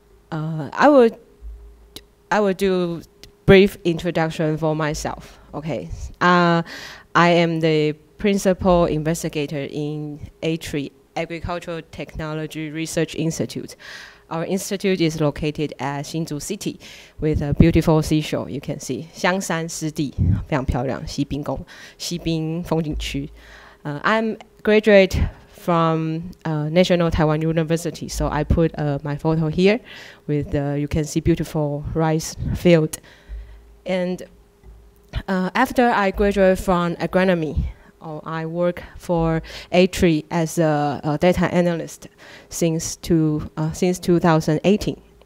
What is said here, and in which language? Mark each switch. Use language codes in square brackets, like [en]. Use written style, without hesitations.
[en] I will do brief introduction for myself. Okay, I am the principal investigator in ATRI, Agricultural Technology Research Institute. Our institute is located at 新竹 City with a beautiful seashore, you can see. [zh] 香山湿地,非常漂亮,西滨宫,西滨风景区。 [en] I'm graduate from National Taiwan University, so I put my photo here with the, you can see, beautiful rice field. And after I graduate from agronomy, I work for ATRI as a data analyst since 2018.